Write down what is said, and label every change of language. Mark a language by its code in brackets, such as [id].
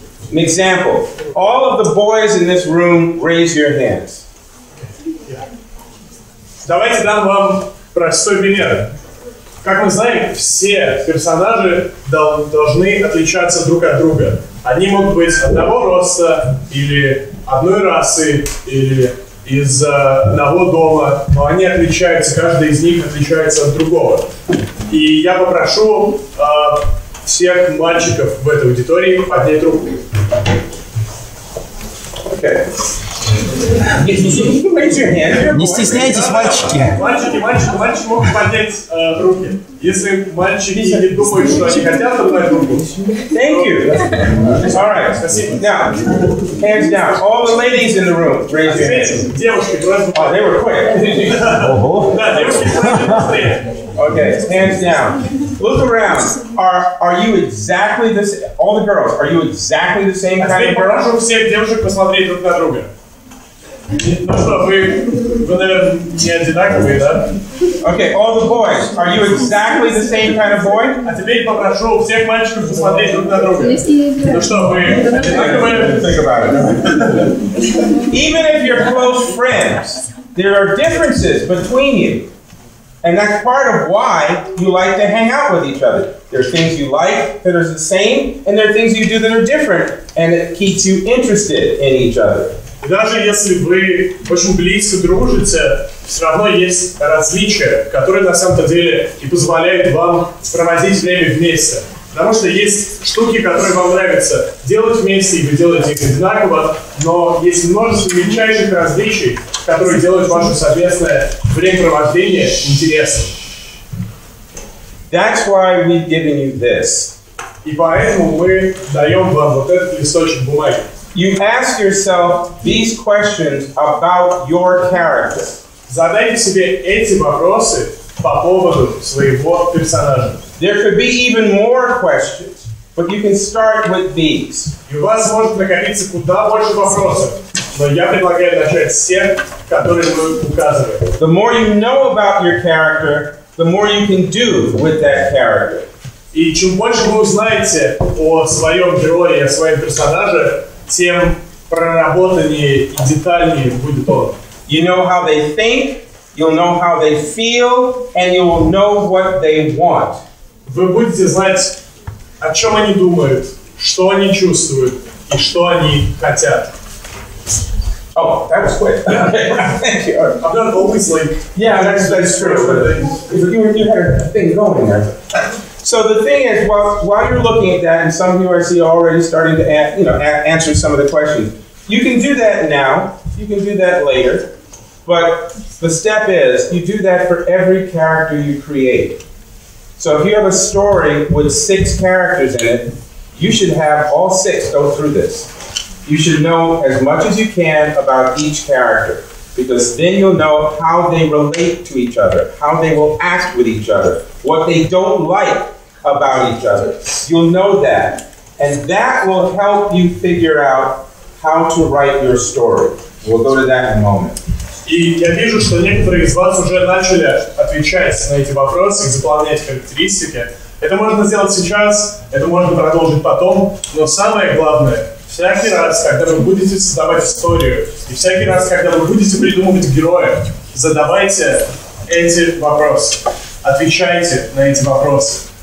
[en] An example, all of the boys in this room, raise your hands. [ru] Давайте дам вам простой пример. Как мы знаем, все персонажи должны отличаться друг от друга. Они могут быть одного роста, или одной расы, или из одного дома, но они отличаются, каждый из них отличается от другого. И я попрошу всех мальчиков в этой аудитории поднять руку. Не стесняйтесь, мальчики. Мальчики могут поднять руки. Если мальчики не думают, что они хотят поднять руку. [en] Thank you. All right. [ru] Спасибо. [en] Now, hands down. All the ladies in the room, raise your hands. [ru] Девушки, просто. [en] Oh, they were quick. [ru] Ого. Да, девушки. [en] Okay, hands down. Look around. Are you exactly the same? All the girls, are you exactly the same kind of girl? [ru] Прошу всех девушек посмотреть друг на друга. Ну что, вы, наверное, не одинаковые, да? [en] Okay, all the boys, are you exactly the same kind of boy? [ru] А теперь попрошу всех мальчиков посмотреть друг на друга. Ну что, вы одинаковые? [en] Think about it. Even if you're close friends, there are differences between you. And that's part of why you like to hang out with each other. There's things you like that are the same, and there are things you do that are different, and it keeps you interested in each other. [ru] Даже если вы очень близко дружите, все равно есть различия, которые на самом-то деле и позволяют вам проводить время вместе. Потому что есть штуки, которые вам нравится делать вместе, и вы делаете их одинаково, но есть множество мельчайших различий, которые делают ваше совместное времяпровождение интересным. [en] That's why we've given you this. [ru] И поэтому мы даем вам вот этот листочек бумаги. [en] You ask yourself these questions about your character. [ru] Задайте себе эти вопросы по поводу своего персонажа. [en] There could be even more questions, but you can start with these. [ru] И у вас может накопиться куда больше вопросов, но я предлагаю начать с тех, которые мы указываем. [en] The more you know about your character, the more you can do with that character. [ru] И чем больше вы узнаете о своем герое, о своем персонаже, тем проработаннее и детальнее будет он. [en] You know how they think, you'll know how they feel, and you will know what they want. [ru] Вы будете знать, о чем они думают, что они чувствуют и что они хотят. [en] Oh, that was quick. Thank you. I'm not always like... Yeah, that's true. You had a thing going there. So the thing is, while you're looking at that, and some of you I see already starting to answer some of the questions, you can do that now, you can do that later, but the step is, you do that for every character you create. So if you have a story with six characters in it, you should have all six go through this. You should know as much as you can about each character, because then you'll know how they relate to each other, how they will act with each other, what they don't like about each other. You'll know that, and that will help you figure out how to write your story. We'll go to that in a moment. [ru] И я вижу, что некоторые из вас уже начали отвечать на эти вопросы, заполнять характеристики. Это можно сделать сейчас, это можно продолжить потом, но самое главное, всякий раз, когда вы будете создавать историю, и всякий раз, когда вы будете придумывать героя, задавайте эти вопросы, отвечайте на эти вопросы.